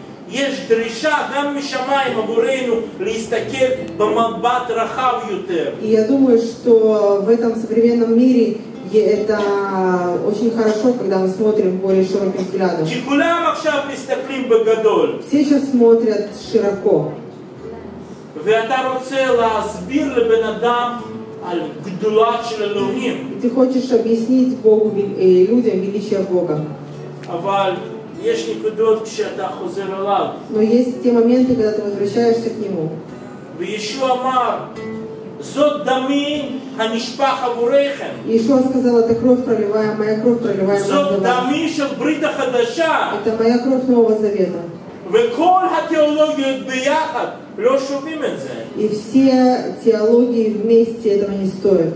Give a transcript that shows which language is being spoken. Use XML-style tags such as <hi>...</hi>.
<he>יש דרישה גם משמיים עבורנו להסתכל במבט רחב יותר.</he> <ru>И я думаю, что в этом современном мире это очень хорошо, когда мы смотрим более широким взглядом. И</ru> <he>כולם עכשיו מסתכלים בגדול.</he> <ru>Все сейчас смотрят широко.</ru> <he>ואתה רוצה להסביר לבן אדם על גדולת של אלוהים.</he> <ru>Ты хочешь объяснить Богу, людям величие Бога.</ru> <he>אבל יש נקודות כשאתה חוזר אליו.</he> <ru>Но есть те моменты, когда ты возвращаешься к нему.</ru> <he>וישוע אמר, זאת דמי הנשפך עבורכם.</he> <ru>ישוע сказал, это кровь проливаемая, кровь проливаемая за вас.</ru> <he>זאת דמי של ברית החדשה.</he> <ru>Это моя кровь нового завета.</ru> <he>וכל התיאולוגיות ביחד לא שומעים את זה.</he> <ru>И все теологии вместе этого не стоят.</ru>